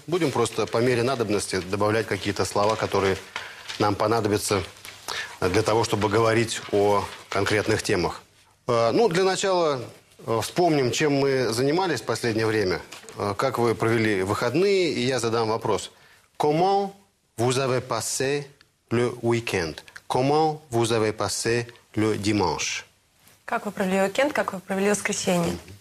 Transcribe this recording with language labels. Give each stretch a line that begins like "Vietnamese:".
Russian: Будем просто по мере надобности добавлять какие-то слова, которые нам понадобятся для того, чтобы говорить о конкретных темах. Ну, для начала вспомним, чем мы занимались в последнее время. Как вы провели выходные, и я задам вопрос.
French: Comment vous avez passé le week-end? Comment vous avez passé le dimanche?
Russian: Как вы провели уикенд, как вы провели воскресенье?